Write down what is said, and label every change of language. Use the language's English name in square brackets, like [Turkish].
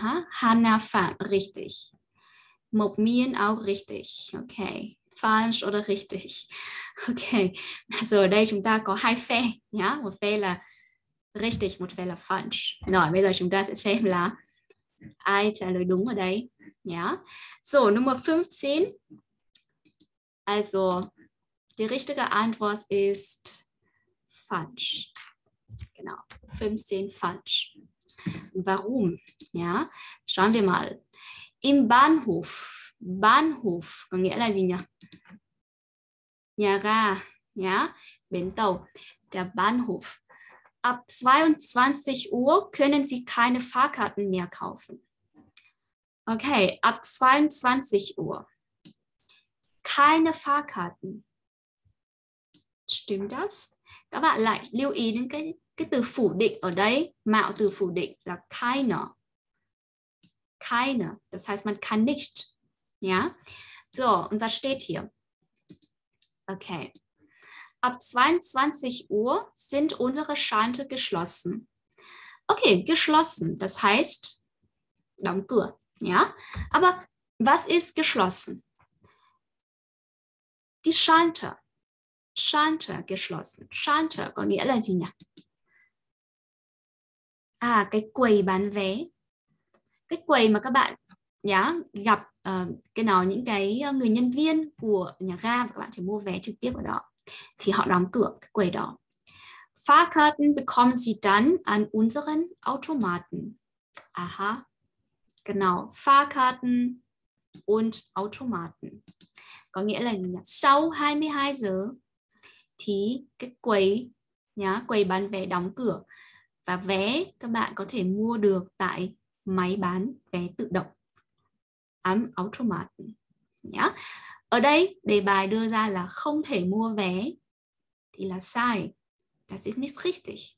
[German] Hannah Phạm, richtig. Mộc Miên, auch richtig. Ok. Falsch oder richtig. Ok. [Vietnamese] Rồi, đây chúng ta có hai phe. Một phe là richtig, một phe là falsch. Rồi, bây giờ chúng ta sẽ xem là ai trả lời đúng ở đây. [German] So, Nummer 15. Also, die richtige Antwort ist falsch. Genau, 15 falsch. Warum? Schauen wir mal. Im Bahnhof. [Vietnamese] Bahnhof. Có nghĩa là gì nhỉ? Nhà ga. Bến tàu. [German] Der Bahnhof. Ab 22 Uhr können Sie keine Fahrkarten mehr kaufen. Okay, ab 22 Uhr. Keine Fahrkarten. Stimmt das? [Vietnamese] Các bạn lại lưu ý đến cái từ phủ định ở đây, mạo từ phủ định là keine. [German] Keine, das heißt man kann nicht. So, und was steht hier? Okay. Ab 22 Uhr sind unsere Schalter geschlossen. Okay, geschlossen, das heißt [Vietnamese] đóng cửa. [German] Aber was ist geschlossen? Die Schalter. Schalter geschlossen. [Vietnamese] Schalter có nghĩa là gì nhỉ? Cái quầy bán vé. Cái quầy mà các bạn gặp cái nào những cái người nhân viên của nhà ga, các bạn thì mua vé trực tiếp ở đó. Thì họ đóng cửa cái quầy đó. [German] Fahrkarten bekommen Sie dann an unseren Automaten. Genau, Fahrkarten und Automaten. [Vietnamese] Có nghĩa là gì nhỉ? Sau 22 giờ thì cái quầy nhá, quầy bán vé đóng cửa và vé các bạn có thể mua được tại máy bán vé tự động. Automat. Ở đây đề bài đưa ra là không thể mua vé thì là sai. [German] Das ist nicht richtig.